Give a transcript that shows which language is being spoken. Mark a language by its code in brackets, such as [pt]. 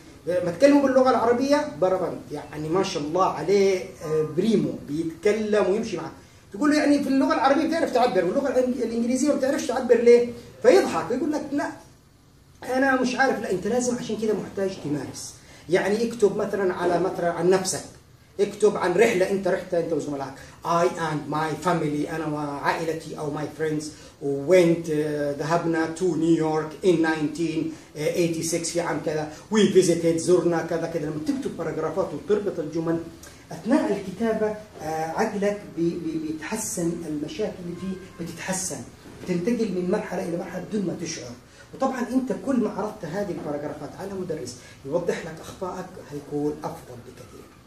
[ar] ما تكلموا باللغة العربية بربنت، يعني ما شاء الله عليه بريمو، بيتكلم ويمشي معه. تقول له يعني في اللغة العربية بتعرف تعبر، واللغة الإنجليزية ما بتعرفش تعبر ليه؟ فيضحك ويقول لك لا أنا مش عارف. لا أنت لازم، عشان كده محتاج تمارس. يعني اكتب مثلا على مثلا عن نفسك، اكتب عن رحلة أنت رحتها أنت وزملائك. [en] I and my family، [ar] أنا وعائلتي أو [en] my friends went [ar] ذهبنا [en] to New York in 1986 [ar] في عام كذا. [en] We visited، [ar] زرنا كذا كذا. لما تكتب باراجرافات وتربط الجمل أثناء الكتابة عقلك بيتحسن، المشاكل اللي فيه بتتحسن، بتنتقل من مرحلة إلى مرحلة بدون ما تشعر. وطبعا انت كل ما عرضت هذه الباراجرافات على مدرس يوضح لك اخطائك هيكون افضل بكثير.